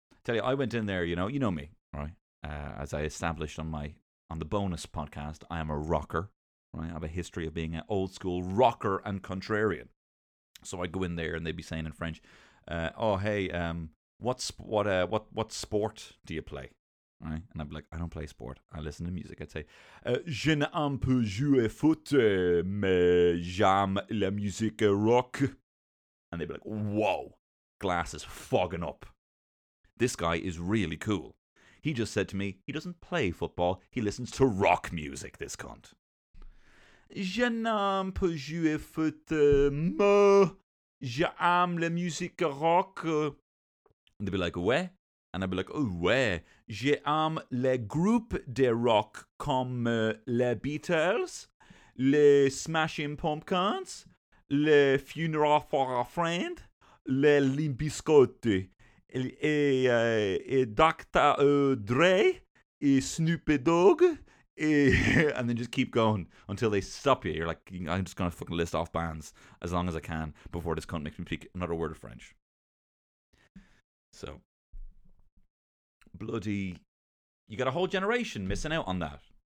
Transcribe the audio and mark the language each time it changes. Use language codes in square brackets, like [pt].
[en] Tell you, I went in there, you know me, right? As I established on my... On the bonus podcast, I am a rocker, right? I have a history of being an old school rocker and contrarian. So I'd go in there and they'd be saying in French, what sport do you play? Right? And I'd be like, I don't play sport. I listen to music. I'd say, [fr] je n'aime pas jouer foot, mais j'aime la musique rock. [en] And they'd be like, whoa, glasses fogging up. This guy is really cool. He just said to me, he doesn't play football, he listens to rock music, this cunt. [fr] Je n'aime pas jouer foot, mais j'aime la musique rock. [en] And they'd be like, ouais? And I'd be like, oh, ouais. [fr] J'aime les groupes de rock comme les Beatles, les Smashing Pumpkins, les Funeral for a Friend, les Limp Bizkit. Et Dr. [en] Dre, et Snoop Dogg, and then just keep going until they stop you. You're like, I'm just going to fucking list off bands as long as I can before this cunt makes me speak another word of French. So, bloody, you got a whole generation missing out on that.